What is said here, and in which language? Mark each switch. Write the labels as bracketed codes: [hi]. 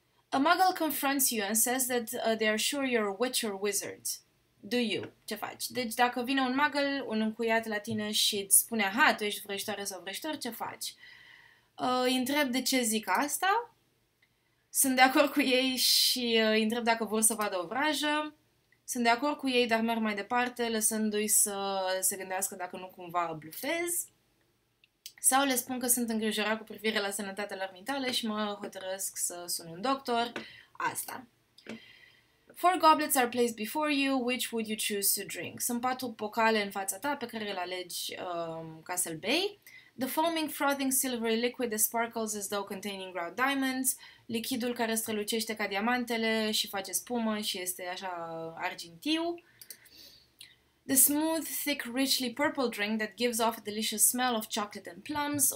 [en] A muggle confronts you and says that they are sure you're a witch or wizard. Do you? [ro] Ce faci? Deci dacă vine un muggle, un încuiat la tine și îți spune, aha, tu ești vrăjitoare sau vrăjitor, ce faci? Îi întreb de ce zic asta. Sunt de acord cu ei și îi întreb dacă vor să vadă o vrajă. Sunt de acord cu ei, dar merg mai departe, lăsându-i să se gândească dacă nu cumva blufez. Sau le spun că sunt îngrijorat cu privire la sănătatea lor mentală și mă hotărăsc să sun un doctor. Asta. [en] Four goblets are placed before you. Which would you choose to drink? [ro] Sunt patru pocale în fața ta pe care le alegi ca să-l bei. [en] The foaming, frothing, silvery liquid that sparkles as though containing ground diamonds. [ro] Lichidul care strălucește ca diamantele și face spumă și este așa argintiu. [en] The smooth, thick, richly purple drink that gives off a delicious smell of chocolate and plums.